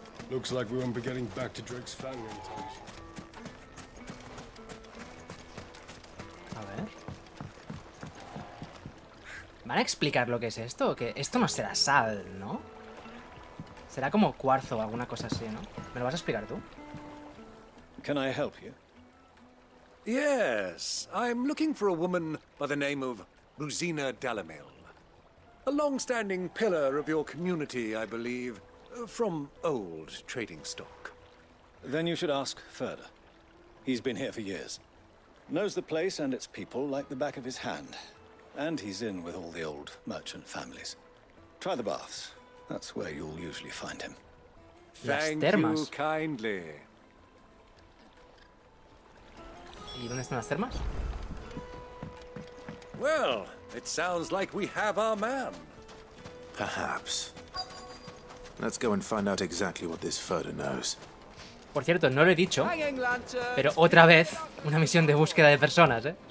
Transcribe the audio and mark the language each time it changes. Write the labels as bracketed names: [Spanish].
[English] Looks like we won't be getting back to Drake's family in time. [Spanish] A ver. ¿Van a explicar lo que es esto? Que esto no será sal, ¿no? Será como cuarzo o alguna cosa así, ¿no? ¿Me lo vas a explicar tú? [English] Can I help you? Yes, I'm looking for a woman by the name of Rosina Dalamil. A long-standing pillar of your community, I believe. From old trading stock. Then you should ask Ferda. He's been here for years. Knows the place and its people like the back of his hand. And he's in with all the old merchant families. Try the baths. That's where you'll usually find him. Thank you kindly. [Spanish] ¿Y dónde están las termas? [English] Well, it sounds like we have our man. Perhaps. Let's go and find out exactly what this Ferda knows. [Spanish] Por cierto, no lo he dicho, pero otra vez una misión de búsqueda de personas, ¿eh?